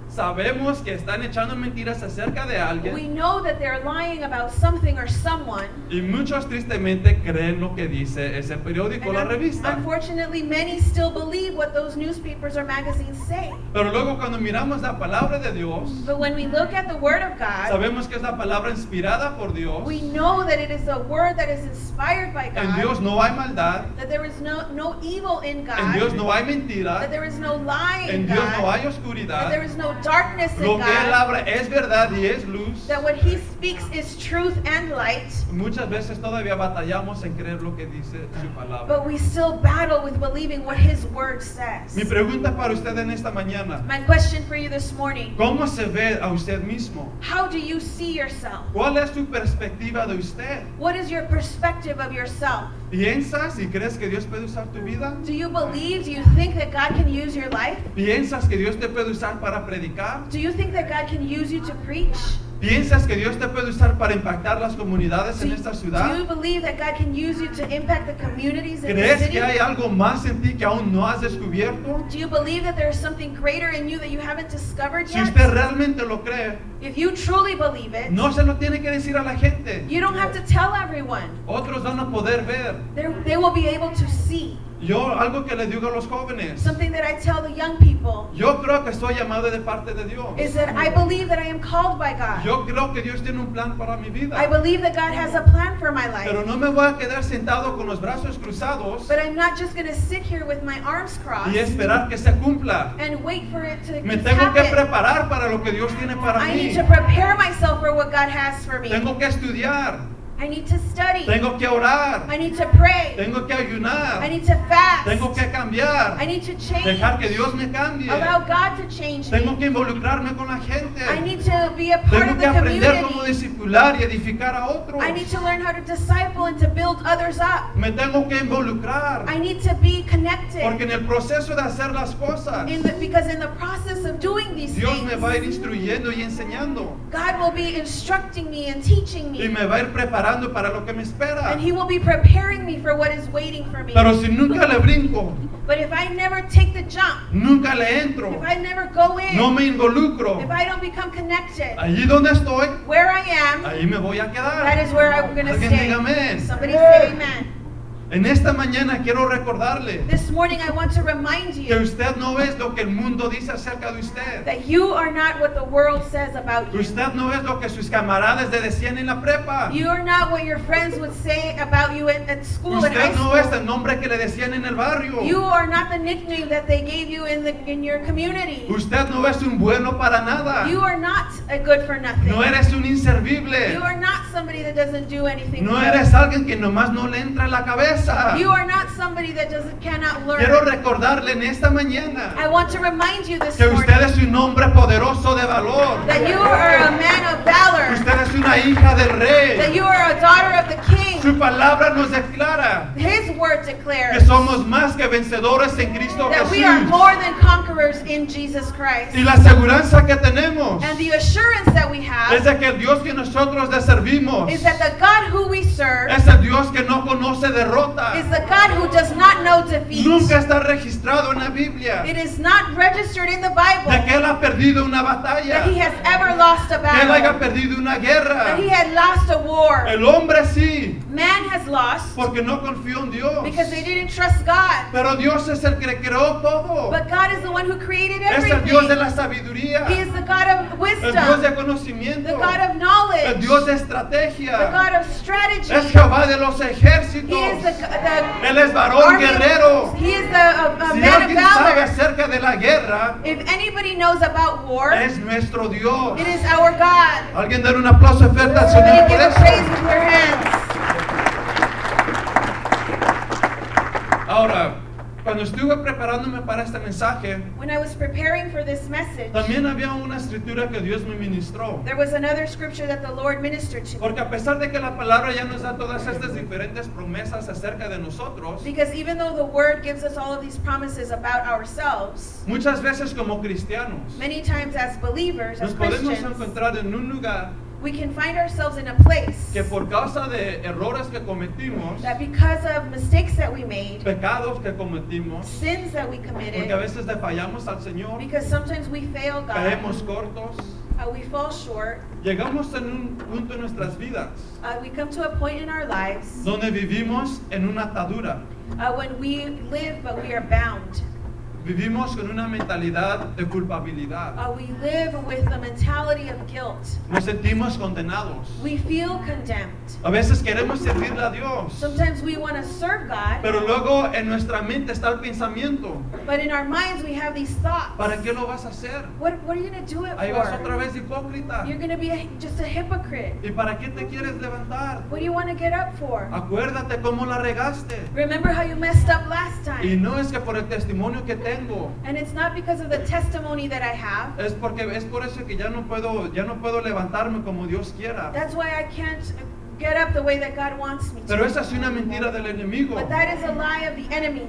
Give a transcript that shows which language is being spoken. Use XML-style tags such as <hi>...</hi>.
<es>Sabemos que están echando mentiras acerca de alguien.</es> <en>We know that they're lying about something or someone.</en> <es>Y muchos tristemente creen lo que dice ese periódico o la revista.</es> <en>Unfortunately, many still believe what those newspapers or magazines say.</en> <es>Pero luego cuando miramos la palabra de Dios,</es> <en>but when we look at the word of God,</en> <es>sabemos que es la palabra inspirada por Dios.</es> <en>We know that it is a word that is inspired by God.</en> <es>En Dios no hay maldad.</es> <en>That there is no evil in God.</en> <es>En Dios no hay mentira.</es> <en>That there is no lie in God.</en> <es>Dios no hay oscuridad.</es> <en>That there is no darkness in</en> <es>lo que él habla es verdad y es luz.</es> <en>That what he speaks is truth and light.</en> <es>Muchas veces todavía batallamos en creer lo que dice su palabra.</es> <en>But we still battle with believing what his word says.</en> <es>Mi pregunta para usted en esta mañana,</es> <en>my question for you this morning,</en> <es>¿cómo se ve a usted mismo?</es> <en>How do you see yourself?</en> <es>¿Cuál es su perspectiva de usted?</es> <en>What is your perspective of yourself?</en> <es>¿Piensas y crees que Dios puede usar tu vida?</es> <en>Do you believe, do you think that God can use your life?</en> <es>¿Piensas que Dios te puede usar para predicar?</es> <en>Do you think that God can use you to preach?</en> <es>¿Piensas que Dios te puede usar para impactar las comunidades en esta ciudad?</es> <en>Do you believe that God can use you to impact the communities in</en> <es>¿crees</es> <en>the city?</en> <es>Que hay algo más en ti que aún no has descubierto?</es> <en>Do you believe that there is something greater in you that you haven't discovered yet?</en> <es>Si usted realmente lo cree,</es> <en>if you truly believe it,</en> <es>no se lo tiene que decir a la gente.</es> <en>You don't have to tell everyone.</en> <es>Otros van a poder ver.</es> <en>They will be able to see.</en> <es>Yo algo que le digo a los jóvenes,</es> <en>something that I tell the young people,</en> <es>Yo creo que soy llamado de parte de Dios.</es> <en>Is that I believe that I am called by God.</en> <es>Yo creo que Dios tiene un plan para mi vida.</es> <en>I believe that God has a plan for my life.</en> <es>Pero no me voy a quedar sentado con los brazos cruzados.</es> <en>But I'm not just going to sit here with my arms crossed.</en> <es>Y esperar que se cumpla.</es> <en>And wait for it to happen.</en> <es>Me tengo que preparar para lo que Dios tiene para mí.</es> <en>I need to prepare myself for what God has for me.</en> <es>Tengo que estudiar.</es> <en>I need to study.</en> <es>Tengo que orar.</es> <en>I need to pray.</en> <es>Tengo que ayunar.</es> <en>I need to fast.</en> <es>Tengo que cambiar.</es> <en>I need to change.</en> <es>Dejar que Dios me cambie.</es> <en>Allow God to change</en> <es>Tengo</es> <en>me.</en> <es>Que involucrarme con la gente.</es> <en>I need to be a part</en> <es>Tengo que aprender cómo discipular y edificar a otros.</es> <en>I need to learn how to disciple and to build others up.</en> <es>Me tengo que involucrar.</es> <en>I need to be connected.</en> <es>Porque en el proceso de hacer las cosas,</es> <en>because in the process of doing these</en> <es>Dios</es> <en>things,</en> <es>Dios me va a ir instruyendo y enseñando.</es> <en>God will be instructing me and teaching me.</en> <es>Y me va a ir preparando. Para lo que me espera.</es> <en>And he will be preparing me for what is waiting for me.</en> <es>Pero si nunca le brinco,</es> <en>but if I never take the jump,</en> <es>nunca le entro,</es> <en>if I never go in,</en> <es>no me involucro,</es> <en>if I don't become connected,</en> <es>allí donde estoy,</es> <en>where I am,</en> <es>allí me voy a quedar.</es> <en>That is where I'm going to stay.</en> <es>Alguien diga amén.</es> <en>Somebody yeah. say amen.</en> <es>En esta mañana quiero recordarle,</es> <en>this morning I want to remind you,</en> <es>que usted no es lo que el mundo dice acerca de usted.</es> <en>That you are not what the world says about you.</en> <es>Usted no es lo que sus camaradas le decían en la prepa.</es> <en>You are not what your friends would say about you at school.</en> <es>Usted</es> <en>at high</en> <es>no</es> <en>school.</en> <es>Es el nombre que le decían en el barrio.</es> <en>You are not the nickname that they gave you in your community.</en> <es>Usted no es un bueno para nada.</es> <en>You are not a good for nothing.</en> <es>No eres un inservible.</es> <en>You are not somebody that doesn't do anything.</en> <es>No eres alguien que nomás no le entra en la cabeza.</es> <en>You are not somebody that just cannot learn.</en> <es>Quiero recordarle en esta mañana,</es> <en>I want to remind you this</en> <es>que usted es un hombre poderoso de valor.</es> <en>That you are a man of valor.</en> <es>Usted es una hija del rey.</es> <en>That you are a daughter of the king.</en> <es>Su palabra nos declara,</es> <en>his word declares,</en> <es>que somos más que vencedores en Cristo</es> <en>that</en> <es>Jesús.</es> <en>We are more than conquerors in Jesus Christ.</en> <es>Y la seguridad que tenemos,</es> <en>and the assurance that we have,</en> <es>es de que el Dios que nosotros le servimos,</es> <en>is that the God who we serve,</en> <es>es el Dios que no conoce derrota,</es> <en>is the God who does not know defeat.</en> <es>Nunca está registrado en la Biblia.</es> <en>It is not registered in the Bible.</en> <es>De que él ha perdido una batalla.</es> <en>That he has ever lost a battle.</en> <es>Que él haya perdido una guerra.</es> <en>That he had lost a war.</en> <es>El hombre sí.</es> <en>Man has lost.</en> <es>Porque no confió en Dios.</es> <en>Because they didn't trust God.</en> <es>Pero Dios es el que creó todo.</es> <en>But God is the one who created everything.</en> <es>Es el Dios de la sabiduría.</es> <en>He is the God of wisdom.</en> <es>El Dios de conocimiento.</es> <en>The God of knowledge.</en> <es>El Dios de estrategia.</es> <en>The God of strategy.</en> <es>Es Jehová de los ejércitos. Él es varón guerrero.</es> <en>He is a</en> <es>si</es> <en>man</en> <es>alguien</es> <en>of valor,</en> <es>sabe acerca de la guerra,</es> <en>if anybody knows about war,</en> <es>es nuestro Dios.</es> <en>It is our God.</en> <es>Alguien dar un aplauso fuerte al Señor.</es> <en>Give a praise with your hands.</en> <es>Ahora, cuando estuve preparándome para este mensaje,</es> <en>when I was preparing for this message,</en> <es>también había una escritura que Dios me ministró.</es> <en>There was another scripture that the Lord ministered to me.</en> <es>Porque a pesar de que la palabra ya nos da todas estas diferentes promesas acerca de nosotros,</es> <en>because even though the word gives us all of these promises about ourselves,</en> <es>muchas veces como cristianos,</es> <en>many times as believers,</en> <es>nos</es> <en>as Christians,</en> <es>podemos encontrar en un lugar,</es> <en>we can find ourselves in a place</en> <es>que por causa de errores que cometimos,</es> <en>that because of mistakes that we made,</en> <es>pecados que cometimos,</es> <en>sins that we committed,</en> <es>porque a veces le fallamos al Señor,</es> <en>because sometimes we fail God,</en> <es>caemos cortos,</es> <en>we fall short,</en> <es>llegamos en un punto en nuestras vidas,</es> <en>we come to a point in our lives,</en> <es>donde vivimos en una atadura,</es> <en>when we live but we are bound.</en> <es>Vivimos con una mentalidad de culpabilidad.</es> <en>We live with a mentality of guilt.</en> <es>Nos sentimos condenados.</es> <en>We feel condemned.</en> <es>A veces queremos servirle a Dios.</es> <en>Sometimes we want to serve God.</en> <es>Pero luego en nuestra mente está el pensamiento.</es> <en>But in our minds we have these thoughts.</en> <es>¿Para qué lo vas a hacer?</es> <en>What are you going to do it for?</en> <es>Ahí vas otra vez hipócrita.</es> <en>You're going to be just a hypocrite.</en> <es>¿Y para qué te quieres levantar?</es> <en>What do you want to get up for?</en> <es>Acuérdate cómo la regaste.</es> <en>Remember how you messed up last time.</en> <es>Y no es que por el testimonio que tengo.</es> <en>And it's not because of the testimony that I have.</en> <es>Es porque es por eso que ya no puedo levantarme como Dios quiera.</es> <en>That's why I can't get up the way that God wants me to.</en> <es>Pero esa es una mentira del enemigo.</es> <en>But that is a lie of the enemy.</en>